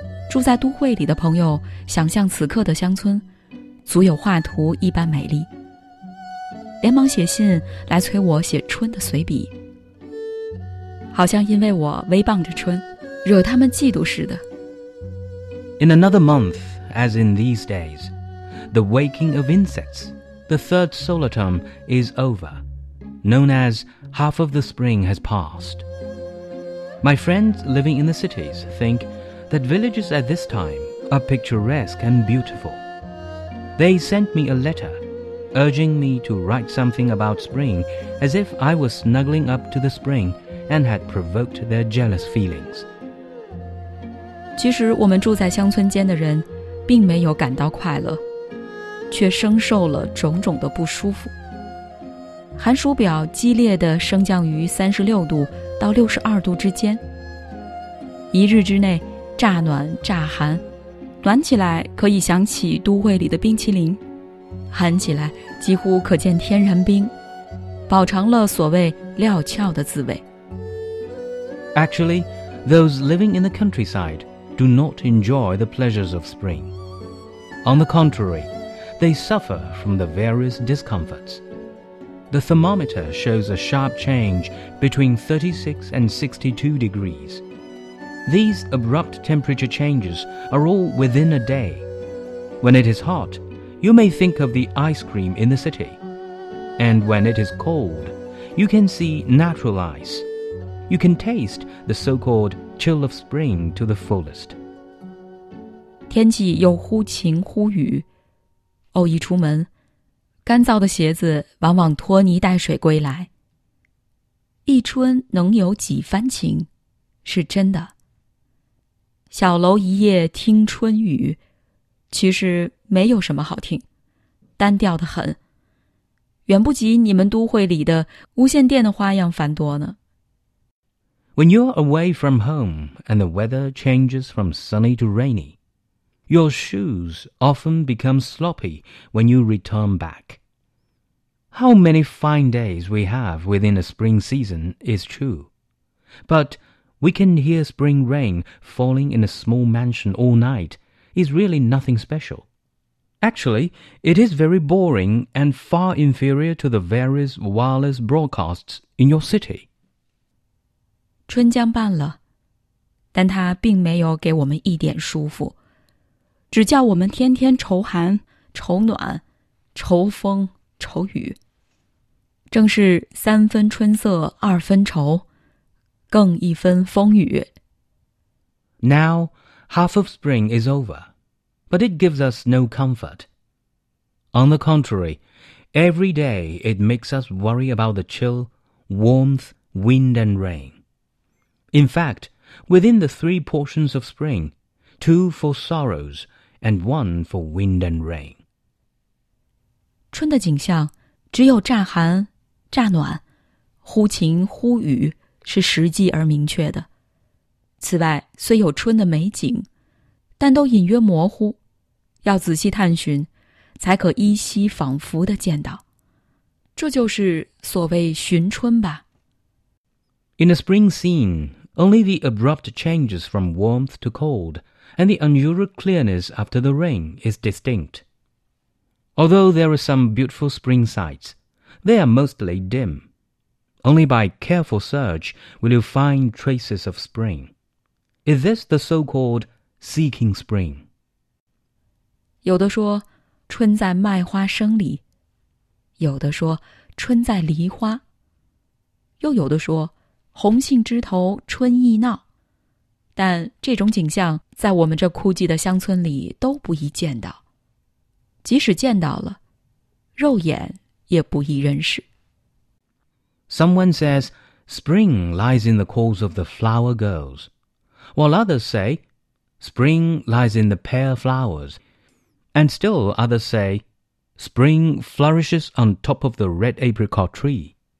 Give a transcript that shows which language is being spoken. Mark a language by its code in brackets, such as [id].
[zh] 住在都会里的朋友，想象此刻的乡村，足有画图一般美丽，连忙写信来催我写春的随笔，好像因为我威傍着春，惹他们嫉妒似的。 [en] In another month, as in these days, the waking of insects,The third solar term is over, known as half of the spring has passed. My friends living in the cities think that villages at this time are picturesque and beautiful. They sent me a letter, urging me to write something about spring, as if I was snuggling up to the spring and had provoked their jealous feelings. [zh] 其实我们住在乡村间的人并没有感到快乐。却生受了种种的不舒服。寒暑表激烈地升降于36度到62度之间，一日之内乍暖乍寒，暖起来可以想起都会里的冰淇淋，寒起来几乎可见天然冰，饱尝了所谓料峭的滋味。 [en] Actually, those living in the countryside do not enjoy the pleasures of spring. On the contrary,They suffer from the various discomforts. The thermometer shows a sharp change between 36 and 62 degrees. These abrupt temperature changes are all within a day. When it is hot, you may think of the ice cream in the city. And when it is cold, you can see natural ice. You can taste the so-called chill of spring to the fullest. [zh] 天气又忽晴忽雨。偶一出门，干燥的鞋子往往拖泥带水归来。一春能有几番晴，是真的。小楼一夜听春雨，其实没有什么好听，单调得很，远不及你们都会里的无线电的花样繁多呢。 [en] When you're away from home and the weather changes from sunny to rainy,Your shoes often become sloppy when you return back. How many fine days we have within a spring season is true. But we can hear spring rain falling in a small mansion all night is really nothing special. Actually, it is very boring and far inferior to the various wireless broadcasts in your city. [zh] 春江半了，但它并没有给我们一点舒服，只叫我们天天愁寒、愁暖、愁风、愁雨。正是三分春色，二分愁，更一分风雨。 [en] Now, half of spring is over, but it gives us no comfort. On the contrary, every day it makes us worry about the chill, warmth, wind and rain. In fact, within the three portions of spring, two for sorrows and one for wind and rain. [zh] 春的景象只有乍寒乍暖，忽晴忽雨是实际而明确的。此外，虽有春的美景，但都隐约模糊，要仔细探寻，才可依稀仿佛地见到。这就是所谓寻春吧。 [en] In a spring scene, only the abrupt changes from warmth to cold and the unusual clearness after the rain is distinct. Although there are some beautiful spring sights,They are mostly dim. Only by careful search will you find traces of spring. Is this the so-called seeking spring? [zh] 有的说春在麦花生里，有的说春在梨花，又有的说红杏枝头春意闹。但这种景象在我们这枯寂的乡村里都不易见到。即使见到了，肉眼也不易认识。 [en] Someone says, spring lies in the calls of the flower girls, while others say, spring lies in the pale flowers, and still others say, spring flourishes on top of the red apricot tree.